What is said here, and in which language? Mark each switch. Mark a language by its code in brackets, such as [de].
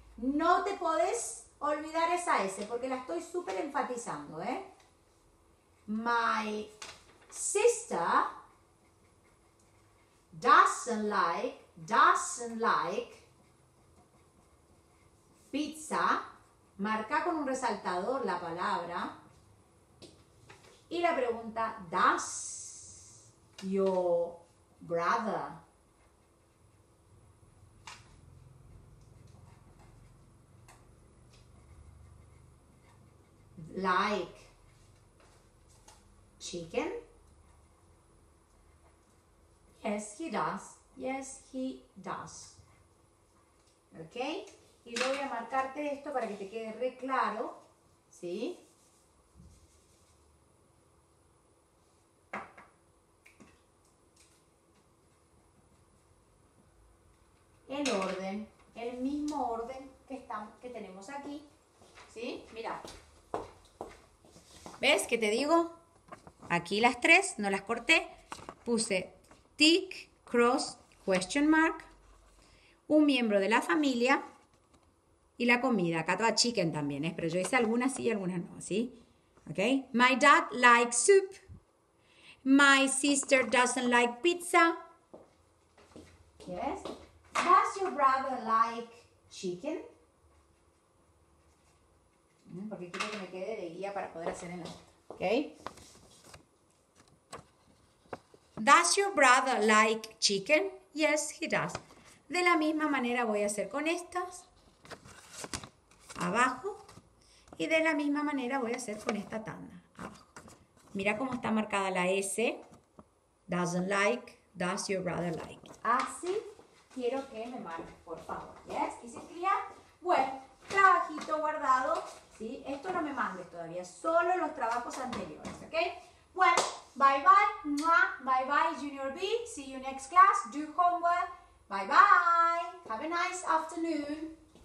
[es] No te podés olvidar esa S, porque la estoy súper enfatizando, ¿eh? [en] My sister doesn't like pizza. [es] Marca con un resaltador la palabra. Y la pregunta, [en] does your brother? Like chicken? Yes, he does. Yes, he does. ¿Ok? [es] Y yo voy a marcarte esto para que te quede re claro. ¿Sí? El orden. El mismo orden que tenemos aquí. ¿Sí? Mira. ¿Ves qué te digo? Aquí las tres, no las corté. [en] Puse tick, cross, question mark. [es] Un miembro de la familia. Y la comida. Acá toda chicken también, ¿eh? Pero yo hice algunas sí y algunas no, ¿sí? [en] ¿Ok? My dad likes soup. My sister doesn't like pizza. Yes. Does your brother like chicken? [es] Porque quiero que me quede de guía para poder hacer el otro. [en] ¿Ok? Does your brother like chicken? Yes, he does. [es] De la misma manera voy a hacer con estas. Abajo. Y de la misma manera voy a hacer con esta tanda. Abajo. Mira cómo está marcada la S. [en] Doesn't like. Does your brother like? [es] Así quiero que me marques, por favor. ¿Yes? ¿Y si clear? Bueno, trabajito guardado. ¿Sí? Esto no me mandes todavía, solo los trabajos anteriores, ¿ok? [en] Bueno, bye bye, mua, bye bye Junior B, see you next class, do homework, bye bye, have a nice afternoon.